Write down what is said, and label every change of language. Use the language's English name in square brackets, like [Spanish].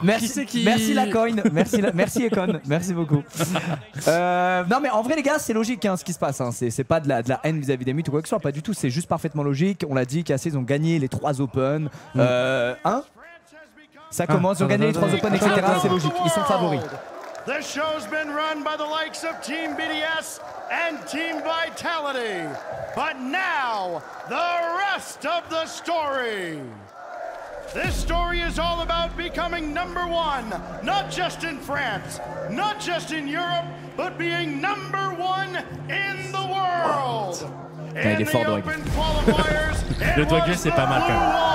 [French] Merci, merci la coin. Merci Econ. Merci beaucoup. Non, mais en vrai, les gars, c'est logique hein, ce qui se passe. Hein. C'est pas de la haine vis-à-vis des mutes ou quoi que ce soit. Pas du tout. C'est juste parfaitement logique. On l'a dit, Cassé, ils ont gagné les 3 Open. Mm. Hein? Ça commence, ils ont gagné les 3 Open, etc. C'est logique, ils sont favoris. [English] The show's been run by the likes of Team BDS and Team Vitality. But now, the rest of the story. This story is all about becoming number one, not just in France, not just in Europe, but being number one in the world. In the open qualifiers, [French] le Dwagge, c'est pas mal quand même.